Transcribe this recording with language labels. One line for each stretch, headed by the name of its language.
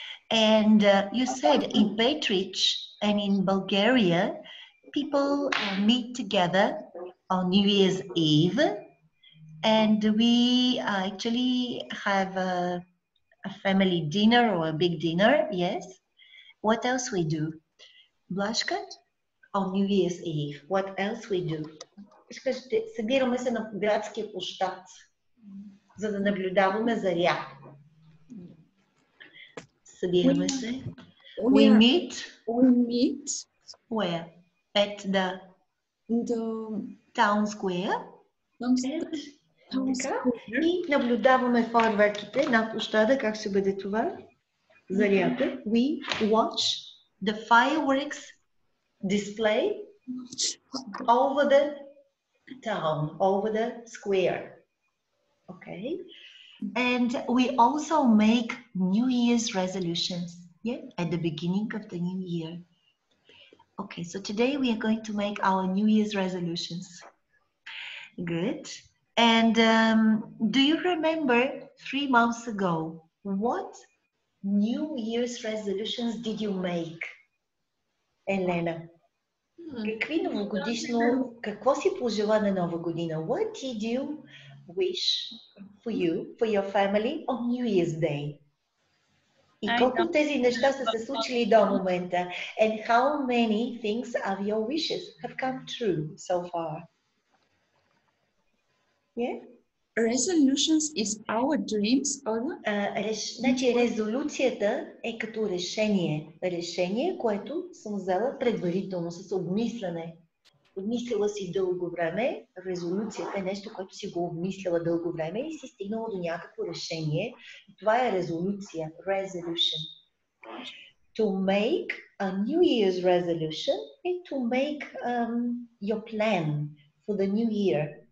English: And you said in Petrich and in Bulgaria, people meet together on New Year's Eve, and we actually have a family dinner or a big dinner, yes? What else we do? Blashka? On New Year's Eve, what else we do?
Bulgarian: Събираме се на градския площад, за да наблюдаваме заря. Събираме се.
English: We meet. Where? At the town square.
Bulgarian: И наблюдаваме фойерверките на площада. Как ще бъде това? Зарята.
English: We watch the fireworks display over the town, over the square. Okay. And we also make New Year's resolutions. Yeah, at the beginning of the new year. Okay, so today we are going to make our New Year's resolutions. Good. And do you remember 3 months ago, what New Year's resolutions did you make, Елена?
Bulgarian: Какви новогодишно, какво си пожела на нова година?
English: What did you wish for you, for your family on New Year's Day?
Bulgarian: И колко тези неща са се случили до момента?
English: And how many things of your wishes have come true so far? Yeah? Resolutions is our dreams, or?
Bulgarian: Значи резолюцията е като решение. Решение, което съм взела предварително, с обмислене. Обмислила си дълго време. Резолюцията е нещо, което си го обмислила дълго време и си стигнала до някакво решение. Това е резолюция. Resolution.
English: To make a New Year's resolution and to make your plan for the new year.